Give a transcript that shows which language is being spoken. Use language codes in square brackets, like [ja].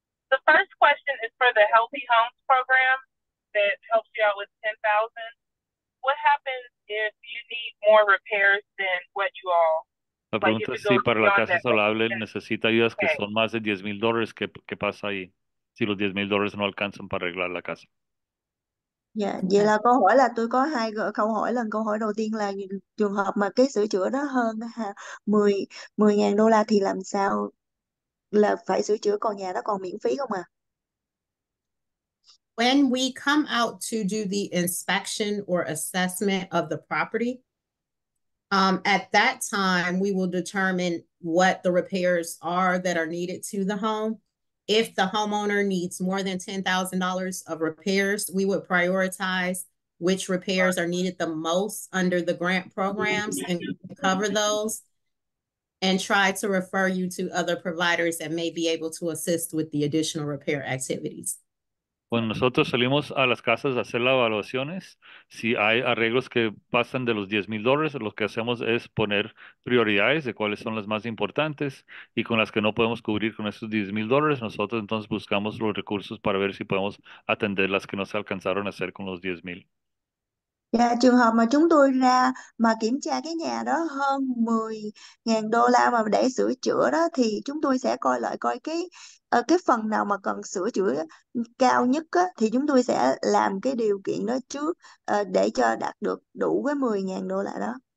[en] The first question is for the Healthy Homes program that helps you out with $10,000. What happens if you need more repairs than what you all? [es] La pregunta es si para la casa saludable necesita ayudas que son más de $10,000. ¿Qué pasa ahí si los $10,000 no alcanzan para arreglar la casa? [vi] Vậy là câu hỏi là tôi có hai câu hỏi. Lần câu hỏi đầu tiên là trường hợp mà cái sửa chữa đó hơn $10,000 thì làm sao? Là phải sửa chữa còn nhà đó còn miễn phí không à? [en] When we come out to do the inspection or assessment of the property, at that time we will determine what the repairs are that are needed to the home. If the homeowner needs more than $10,000 of repairs, we would prioritize which repairs are needed the most under the grant programs and cover those, and try to refer you to other providers that may be able to assist with the additional repair activities. [es] Cuando nosotros salimos a las casas a hacer las evaluaciones, si hay arreglos que pasan de los $10,000, lo que hacemos es poner prioridades de cuáles son las más importantes y con las que no podemos cubrir con esos $10,000, nosotros entonces buscamos los recursos para ver si podemos atender las que no se alcanzaron a hacer con los 10,000. [vi] Dạ, trường hợp mà chúng tôi ra mà kiểm tra cái nhà đó hơn 10.000 đô la mà để sửa chữa đó, thì chúng tôi sẽ coi lại coi cái phần nào mà cần sửa chữa cao nhất á, thì chúng tôi sẽ làm cái điều kiện đó trước để cho đạt được đủ cái 10.000 đô la đó.